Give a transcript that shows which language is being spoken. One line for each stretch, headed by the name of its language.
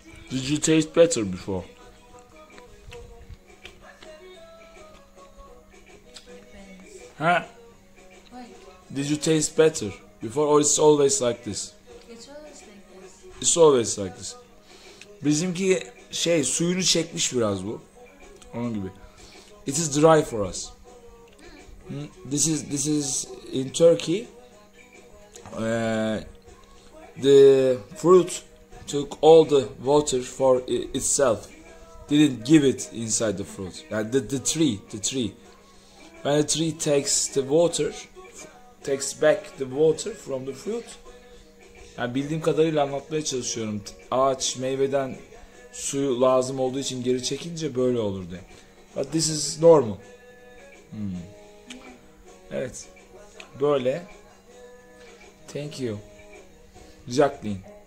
English: Did you taste better before? Depends. Huh? Did you taste better before or it's always like this? It's always like this. It's always like this.
Turkish: Bizimki şey suyunu çekmiş biraz bu. Onun gibi.
English: It is dry for us. This is in Turkey. The fruit took all the water for itself. Didn't give it inside the fruit. The tree. When the tree takes the water, takes back the water from the fruit.
Turkish: Yani bildiğim kadarıyla anlatmaya çalışıyorum. Ağaç meyveden suyu lazım olduğu için geri çekince böyle olur diye.
English: But this is normal.
Turkish: Evet. Böyle.
English: Thank you.
Turkish: Jacqueline.